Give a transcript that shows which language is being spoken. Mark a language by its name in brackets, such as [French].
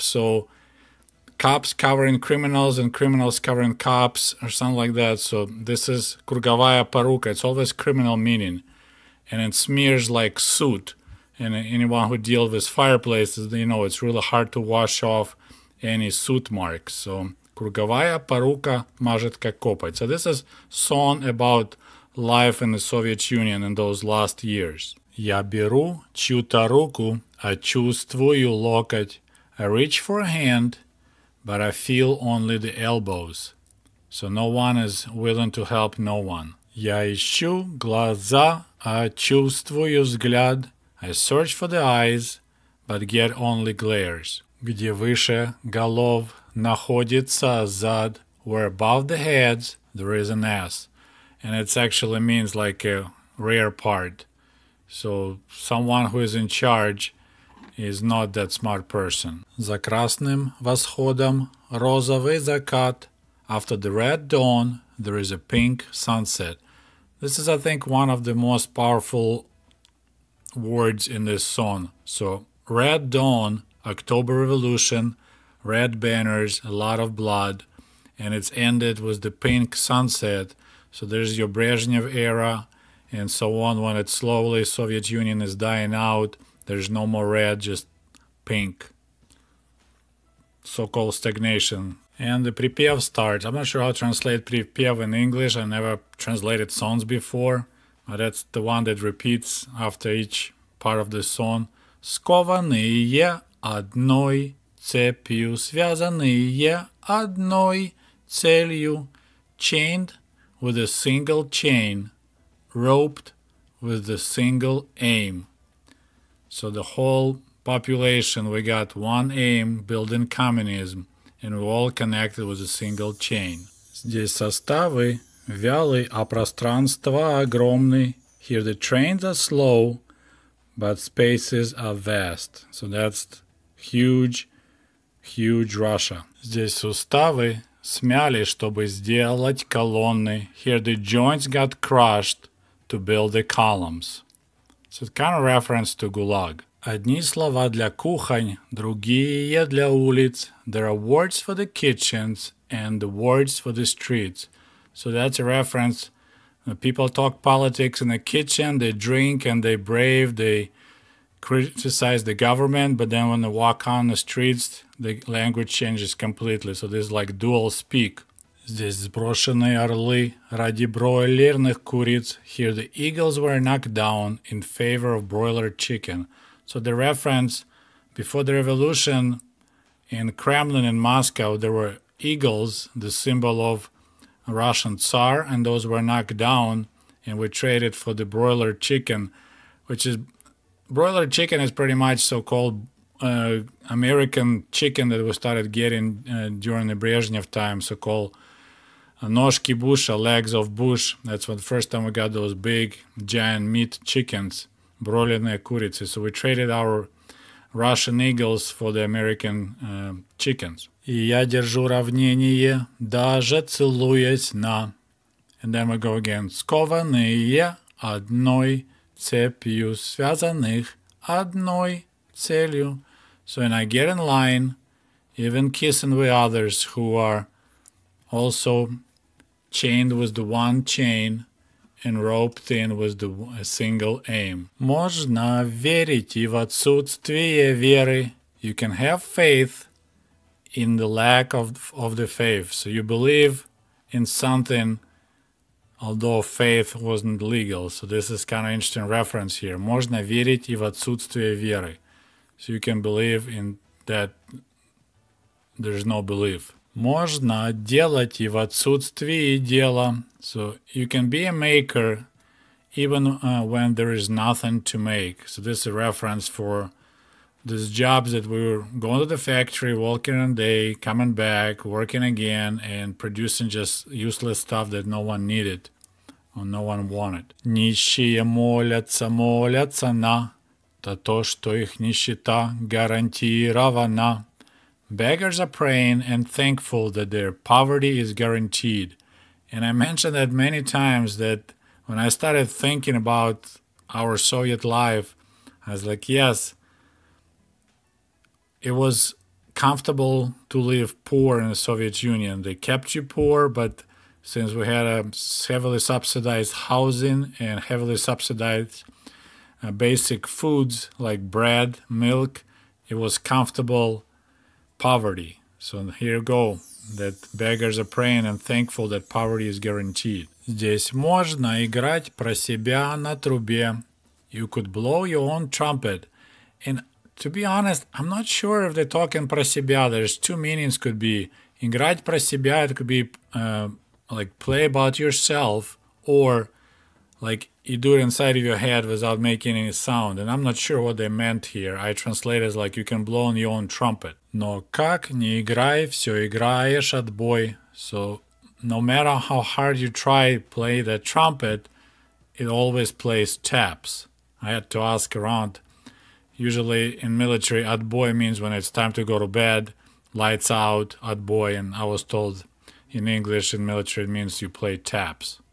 [English] So cops covering criminals and criminals covering cops or something like that. So this is [Russian] круговая порука. [English] It's always criminal meaning. And it smears like soot. And anyone who deals with fireplaces, you know, it's really hard to wash off any soot marks. So [Russian] круговая порука мажет как копоть. [English] So this is song about life in the Soviet Union in those last years. [Russian] Я беру чью-то руку, а чувствую локоть. [English] I reach for a hand, but I feel only the elbows. So no one is willing to help no one. [Russian] Я ищу глаза, а чувствую взгляд. [English] I search for the eyes, but get only glares. [Russian] Где выше голов находится зад. [English] Where above the heads, there is an S. And it actually means like a rear part. So someone who is in charge is not that smart person. [Russian] За красным восходом розовый закат. [English] After the red dawn, there is a pink sunset. This is, I think, one of the most powerful words in this song. So, red dawn, October Revolution, red banners, a lot of blood, and it's ended with the pink sunset. So there's your Brezhnev era and so on, when it slowly Soviet Union is dying out. There's no more red, just pink. So-called stagnation. And the припев starts. I'm not sure how to translate припев in English. I never translated songs before. But that's the one that repeats after each part of the song. [Russian] Скованные одной цепью, связанные одной целью. [English] Chained with a single chain. Roped with the single aim. So the whole population, we got one aim, building communism, and we're all connected with a single chain. [Russian] Здесь составы вялы, а пространство огромный. [English] Here the trains are slow, but spaces are vast. So that's huge, huge Russia. [Russian] Здесь суставы смяли, чтобы сделать колонны. [English] Here the joints got crushed to build the columns. So it's kind of reference to Gulag. [Russian] Одни слова для кухонь, другие для улиц. [English] There are words for the kitchens and words for the streets. So that's a reference. When people talk politics in the kitchen, they drink and they brave, they criticize the government, but then when they walk on the streets, the language changes completely. So this is like dual speak. [Russian] Здесь сброшены орлы ради бройлерных куриц. [English] Here the eagles were knocked down in favor of broiler chicken. So the reference, before the revolution in Kremlin in Moscow, there were eagles, the symbol of Russian Tsar, and those were knocked down and were traded for the broiler chicken, which is, broiler chicken is pretty much so-called American chicken that we started getting during the Brezhnev time, so-called [Russian] ножки Буша, [English] legs of Bush. That's when the first time we got those big, giant meat chickens. [Russian] Бройлерные курицы. [English] So we traded our Russian eagles for the American chickens. [Russian] И я держу равнение, даже целуясь на... [English] And then we go again. [Russian] Скованные одной цепью, связанных одной целью. [English] So when I get in line, even kissing with others who are also chained with the one chain, and roped in with a single aim. [Russian] Можно верить и в отсутствие веры. [English] You can have faith in the lack of the faith. So you believe in something, although faith wasn't legal. So this is kind of interesting reference here. [Russian] Можно верить и в отсутствие веры. [English] So you can believe in that there's no belief. [Russian] Можно делать и в отсутствии дела. [English] So you can be a maker even when there is nothing to make. So this is a reference for these jobs that we were going to the factory, working all day, coming back, working again, and producing just useless stuff that no one needed or no one wanted. [Russian] Нищие молятся, молятся на то, что их нищета гарантирована. [English] Beggars are praying and thankful that their poverty is guaranteed. And I mentioned that many times that when I started thinking about our Soviet life, I was like, yes, it was comfortable to live poor in the Soviet Union. They kept you poor, but since we had a heavily subsidized housing and heavily subsidized basic foods like bread, milk, it was comfortable poverty. So here you go, that beggars are praying and thankful that poverty is guaranteed. [Russian] Здесь можно играть про себя на трубе. [English] You could blow your own trumpet. And to be honest, I'm not sure if they're talking [Russian] про себя. [English] There's two meanings could be. [Russian] Играть про себя, [English] it could be like play about yourself, or like you do it inside of your head without making any sound. And I'm not sure what they meant here. I translate as like you can blow on your own trumpet. [Russian] Но как не играй, все играешь отбой. [English] So no matter how hard you try to play the trumpet, it always plays taps. I had to ask around. Usually in military, отбой means when it's time to go to bed, lights out, отбой. And I was told in English, in military, it means you play taps.